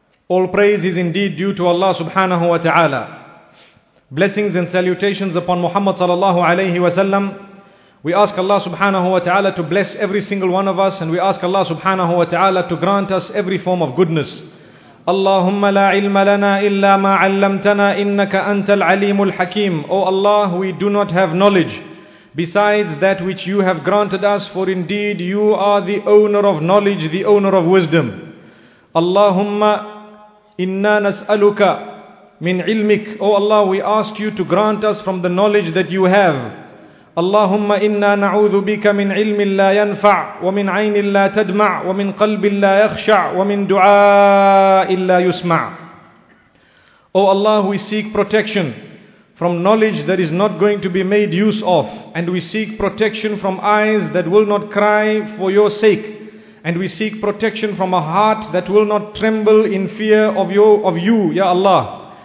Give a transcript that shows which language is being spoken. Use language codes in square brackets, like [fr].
[en] All praise is indeed due to Allah subhanahu wa ta'ala. Blessings and salutations upon Muhammad sallallahu alayhi wa sallam. We ask Allah subhanahu wa ta'ala to bless every single one of us, and we ask Allah subhanahu wa ta'ala to grant us every form of goodness. [ar] اللهم لا علم لنا إلا ما علمتنا إنك أنت العليم الحكيم. [en] O Allah, we do not have knowledge besides that which you have granted us, for indeed you are the owner of knowledge, the owner of wisdom. [ar] اللهم إنا نسألك من علمك. [en] O Allah, we ask you to grant us from the knowledge that you have. [ar] اللهم إنا نعوذ بك من علم لا ينفع ومن عين لا تدمع ومن قلب لا يخشع ومن دعاء لا يسمع. [en] O Allah, we seek protection from knowledge that is not going to be made use of, and we seek protection from eyes that will not cry for your sake, and we seek protection from a heart that will not tremble in fear of you, Ya Allah.